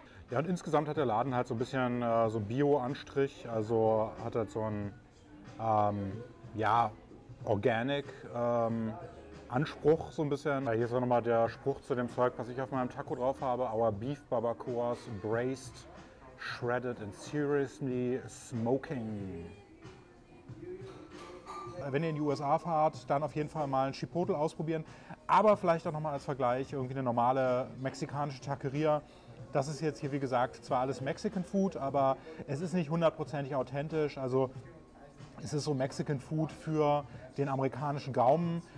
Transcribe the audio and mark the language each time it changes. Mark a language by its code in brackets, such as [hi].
[de] Ja, und insgesamt hat der Laden halt so ein bisschen so einen Bio-Anstrich. Also hat halt so einen Organic Anspruch so ein bisschen. Ja, hier ist auch nochmal der Spruch zu dem Zeug, was ich auf meinem Taco drauf habe. [en] Our beef barbacoas braised, shredded and seriously smoking. [de] Wenn ihr in die USA fahrt, dann auf jeden Fall mal ein Chipotle ausprobieren. Aber vielleicht auch nochmal als Vergleich irgendwie eine normale mexikanische Taqueria. Das ist jetzt hier, wie gesagt, zwar alles Mexican Food, aber es ist nicht hundertprozentig authentisch. Also es ist so Mexican Food für den amerikanischen Gaumen.